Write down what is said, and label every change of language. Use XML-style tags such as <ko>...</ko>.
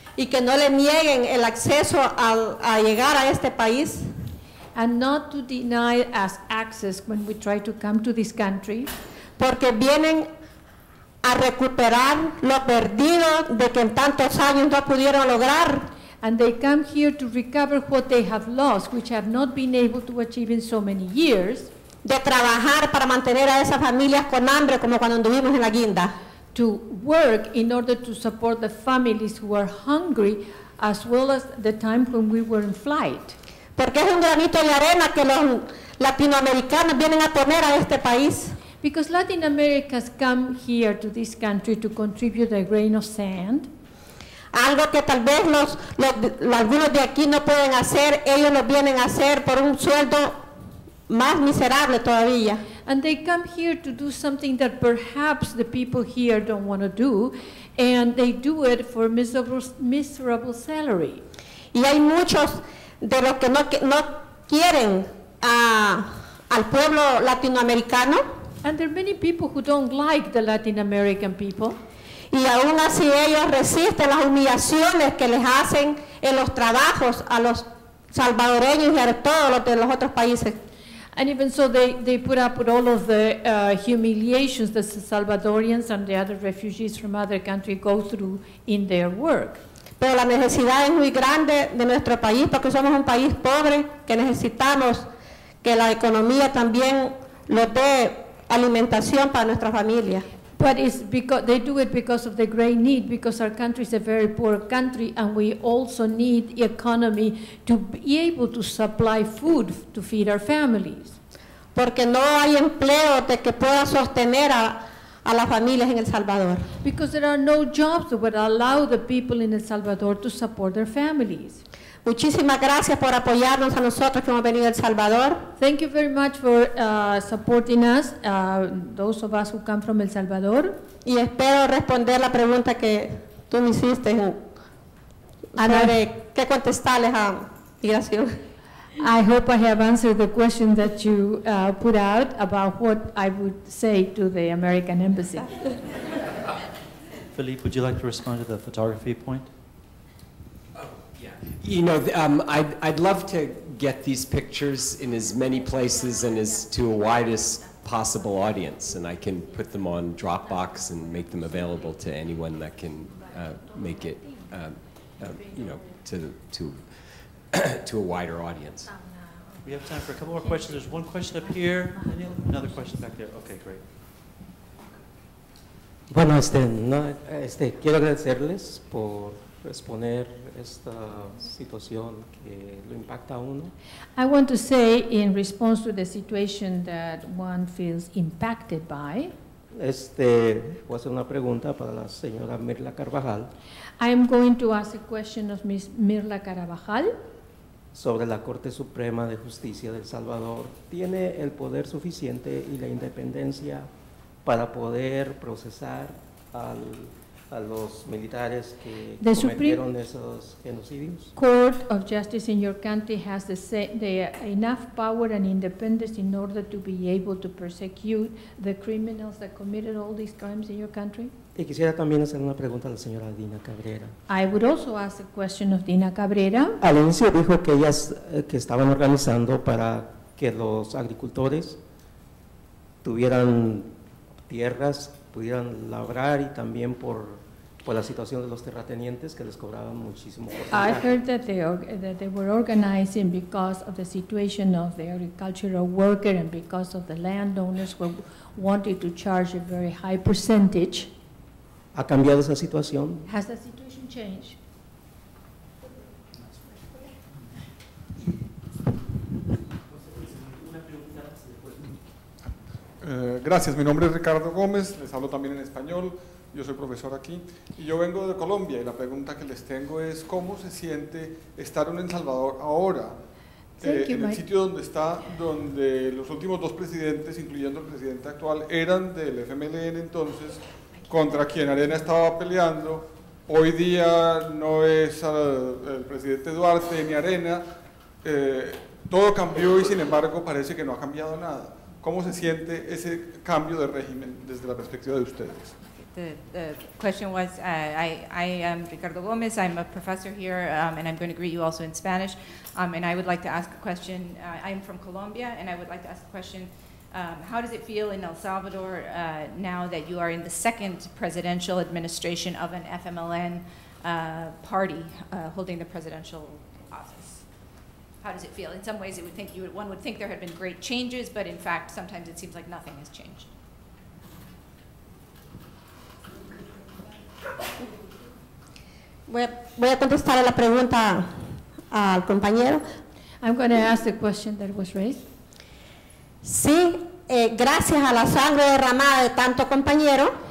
<es>Y que no le nieguen el acceso a llegar a este país.</es> <en>and not to deny us access when we try to come to this country.</en> <es>Porque vienen a recuperar lo perdido de que en tantos años no pudieron lograr.</es> <en>And they come here to recover what they have lost, which have not been able to achieve in so many years.</en> <es>De trabajar para mantener a esas familias con hambre como cuando anduvimos en la guinda.</es> <en>To work in order to support the families who are hungry, as well as the time when we were in flight.</en> <es>Porque es un granito de arena que los latinoamericanos vienen a poner a este país.</es> <en>Because Latin America has come here to this country to contribute a grain of sand.</en> <es>Algo que tal vez algunos de aquí no pueden hacer, ellos lo vienen a hacer por un sueldo más miserable todavía.</es> <en>And they come here to do something that perhaps the people here don't want to do, and they do it for miserable salary.</en> <es>Y hay muchos de los que no quieren al pueblo latinoamericano.</es> <en>And there are many people who don't like the Latin American people.</en> <es>Y aún así ellos resisten las humillaciones que les hacen en los trabajos a los salvadoreños y a todos los de los otros países.</es> <en>And even so, they put up with all of the humiliations that the Salvadorians and the other refugees from other countries go through in their work.</en> <es>Pero la necesidad es muy grande de nuestro país porque somos un país pobre que necesitamos que la economía también nos dé alimentación para nuestra familia.</es> <en>But it's because they do it because of the great need, because our country is a very poor country and we also need the economy to be able to supply food to feed our families.</en> <es>Porque no hay empleo de que pueda sostener a las familias en El Salvador.</es> <en>Because there are no jobs that would allow the people in El Salvador to support their families.</en> <es>Muchísimas gracias por apoyarnos a nosotros que hemos venido a El Salvador.</es> <en>Thank you very much for supporting us, those of us who come from El Salvador.</en> <es>Y espero responder la pregunta que tú me hiciste sobre qué contestarles a migración.</es> <en>I hope I have answered the question that you put out about what I would say to the American Embassy. Philippe, would you like to respond to the photography point? You know, I'd love to get these pictures in as many places and as to a widest possible audience, and I can put them on Dropbox and make them available to anyone that can make it, to a wider audience. We have time for a couple more questions. There's one question up here, another question back there. Okay, great.</en> <es>Bueno, quiero agradecerles por exponer esta situación que lo impacta a uno.</es> <en>I want to say, in response to the situation that one feels impacted by,</en> <es>voy a hacer una pregunta para la señora Mirla Carbajal.</es> <en>I am going to ask a question of Ms. Mirla Carbajal.</en> <es>Sobre la Corte Suprema de Justicia de El Salvador, ¿tiene el poder suficiente y la independencia para poder procesar a los militares que</es> <en>the</en> <es>cometieron esos genocidios?</es> <en>Court of Justice in your country has the enough power and independence in order to be able to persecute the criminals that committed all these crimes in your country?</en> <es>Y quisiera también hacer una pregunta a la señora Dina Cabrera.</es> <en>I would also ask a question of Dina Cabrera.</en> <es>Al inicio dijo que ellas que estaban organizando para que los agricultores tuvieran tierras, pudieran labrar y también por la situación de los terratenientes que les cobraban muchísimo.</es> <en>I heard that they were organizing because of the situation of the agricultural worker and because of the landowners who wanted to charge a very high percentage.</en> <es>¿Ha cambiado esa situación?</es> <en>Has the situation changed?</en> <es>Gracias, mi nombre es Ricardo Gómez, les hablo también en español, yo soy profesor aquí y yo vengo de Colombia y la pregunta que les tengo es ¿cómo se siente estar en El Salvador ahora? El sitio donde está, donde los últimos dos presidentes, incluyendo el presidente actual, eran del FMLN entonces, contra quien Arena estaba peleando, hoy día no es el presidente Duarte ni Arena, todo cambió y sin embargo parece que no ha cambiado nada. ¿Cómo se siente ese cambio de régimen desde la perspectiva de ustedes?</es> <en>The question was, I am Ricardo Gomez, I'm a professor here, and I'm going to greet you also in Spanish, and I would like to ask a question. I am from Colombia, and I would like to ask a question. How does it feel in El Salvador now that you are in the second presidential administration of an FMLN party holding the presidential office? How does it feel? In some ways, one would think there had been great changes, but in fact, sometimes it seems like nothing has changed.</en> <es>Voy a contestar a la pregunta al compañero.</es> <en>I'm going to ask the question that was raised.</en> <es>Sí, gracias a la sangre derramada de tanto compañero.</es>